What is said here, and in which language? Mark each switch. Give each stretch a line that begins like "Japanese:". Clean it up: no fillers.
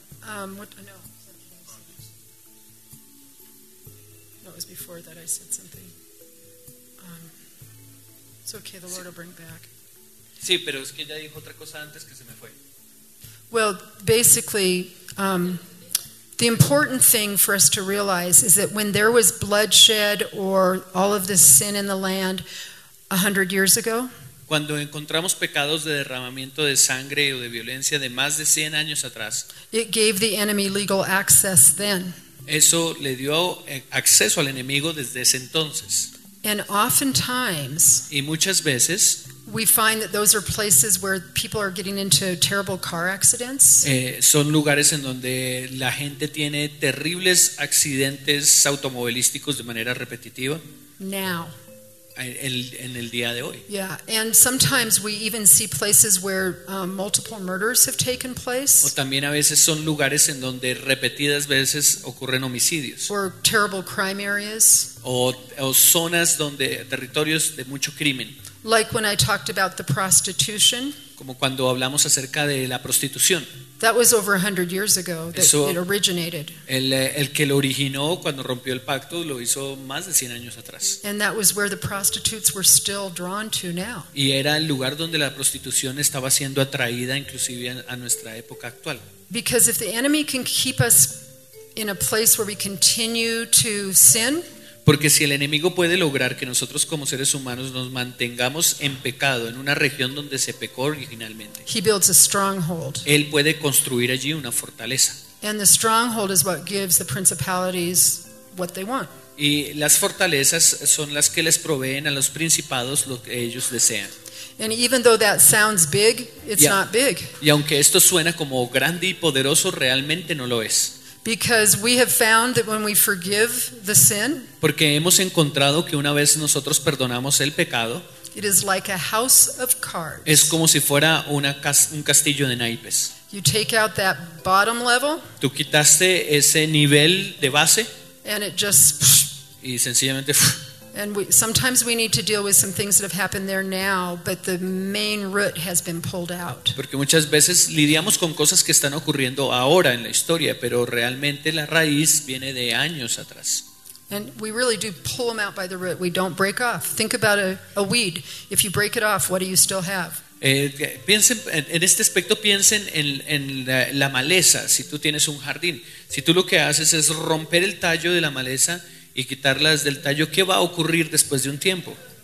English: No, it was before that I said something. It's okay, the Lord will bring back.
Spanish: Sí, pero es que ya dijo otra cosa antes que se me fue.
English: Well, basically, the important thing for us to realize is that when there was bloodshed or all of this sin in the land 100 years ago,
Spanish: cuando encontramos pecados de derramamiento de sangre o de violencia de más de 100 años atrás,
English: it gave the enemy legal access then.
Spanish: Eso le dio acceso al enemigo desde ese entonces.
English: And oftentimes,
Spanish: y muchas veces,
English: we find that those are places where people are getting into terrible car accidents.
Spanish: Son lugares en donde la gente tiene terribles accidentes automovilísticos de manera repetitiva.
English: Now.
Spanish: en el día de hoy.
English: Yeah, and sometimes we even see places where multiple murders have taken place.
Spanish: O también a veces son lugares en donde repetidas veces ocurren homicidios.
English: Or terrible crime areas.
Spanish: O zonas donde territorios de mucho crimen.
English: Like when I talked about the prostitution.
Spanish: Como cuando hablamos acerca de la prostitución.
English: That was over 100 years ago that
Spanish: eso,
English: it originated.
Spanish: El que lo originó cuando rompió el pacto lo hizo más de 100 años atrás.
English: And that was where the prostitutes were still drawn to now.
Spanish: Y era el lugar donde la prostitución estaba siendo atraída inclusive a nuestra época actual.
English: Because if the enemy can keep us in a place where we continue to sin,
Spanish: porque si el enemigo puede lograr que nosotros como seres humanos nos mantengamos en pecado en una región donde se pecó originalmente,
English: he builds a stronghold.
Spanish: Él puede construir allí una fortaleza.
English: And the stronghold is what gives the principalities what they want.
Spanish: Y las fortalezas son las que les proveen a los principados lo que ellos desean.
English: And even though that sounds big, it's not big.
Spanish: Y aunque esto suena como grande y poderoso, realmente no lo es.
English: Because we have found that when we forgive the sin,
Spanish: porque hemos encontrado que una vez nosotros perdonamos el pecado,
English: it is like a house of cards.
Spanish: Es como si fuera un castillo de naipes.
English: You take out that bottom level,
Spanish: tú quitaste ese nivel de base,
English: and it just,
Spanish: y sencillamente,
English: and we, sometimes we need to deal with some things that have happened there now, but the main root has been pulled out.
Spanish: Porque muchas veces lidiamos con cosas que están ocurriendo ahora en la historia, pero realmente la raíz viene de años atrás.
English: And we really do pull them out by the root. We don't break off. Think about a weed. If you break it off, what do you still have?
Spanish: Piensen en este aspecto, piensen en la maleza. Si tú tienes un jardín, si tú lo que haces es romper el tallo de la maleza y quitarlas del tallo, ¿qué va a ocurrir después de un tiempo?